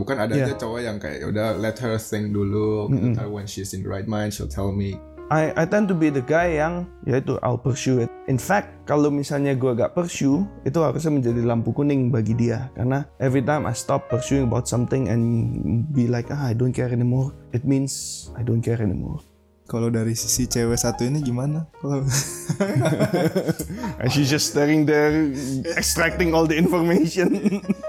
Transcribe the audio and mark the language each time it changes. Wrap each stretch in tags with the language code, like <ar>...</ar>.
<id>Bukan ada aja cowok yang kayak, udah</id> <en>let her think</en> <id>dulu, ntar</id> <en>when she's in the right mind, she'll tell me. I tend to be the guy</en> <id>yang, yaitu,</id> <en>I'll pursue it. In fact,</en> <id>kalau misalnya gue gak pursue, itu harusnya menjadi lampu kuning bagi dia. Karena</id> <en>every time I stop pursuing about something and be like, ah, I don't care anymore, it means I don't care anymore.</en> <id>Kalau dari sisi cewek satu ini gimana?</id> <en>And she's just staring there, extracting all the information.</en>